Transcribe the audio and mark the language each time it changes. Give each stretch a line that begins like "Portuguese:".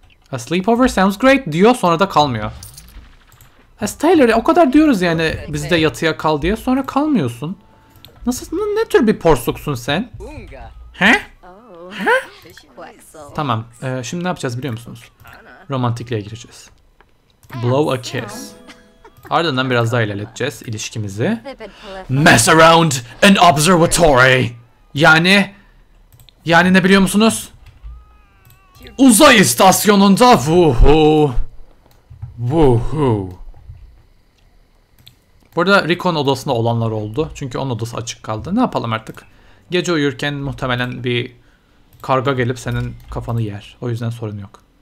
English: A sleepover sounds great
Turkish: diyor sonra da kalmıyor. Taylor o kadar diyoruz yani bizi de yatıya kal diye sonra kalmıyorsun. Nasıl ne tür bir porsuksun sen? He? He? Tamam şimdi ne yapacağız biliyor musunuz? Romantikliğe gireceğiz.
English: Blow a kiss.
Turkish: Ardından biraz daha ilerleteceğiz ilişkimizi.
English: Mess around an observatory.
Turkish: Yani ne biliyor musunuz? Uzay istasyonunda vuhu. Vuhu. Burada Rico'nun odasında olanlar oldu. Çünkü onun odası açık kaldı. Ne yapalım artık? Gece uyurken muhtemelen bir karga gelip senin kafanı yer. O yüzden sorun yok.